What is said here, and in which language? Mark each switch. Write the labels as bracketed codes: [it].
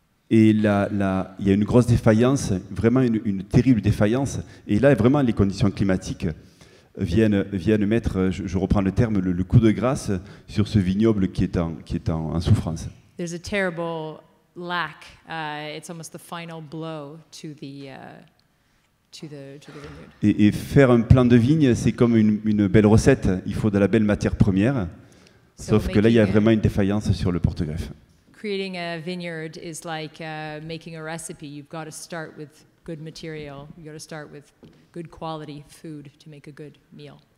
[fr] Et là, il y a une grosse défaillance, vraiment une terrible défaillance. Et là, vraiment, les conditions climatiques viennent mettre, je reprends le terme, le coup de grâce sur ce vignoble qui est en souffrance. [en] There's a terrible lack. It's almost the final blow to the to the vineyard. [fr] Et faire un plan de vigne, c'est comme une belle recette. Il faut de la belle matière première. So sauf que là, il y a vraiment une défaillance sur le porte-greffe. [en] Creating a vineyard is like making a recipe. You've got to start with good material. You've got to start with good quality food to make a good meal.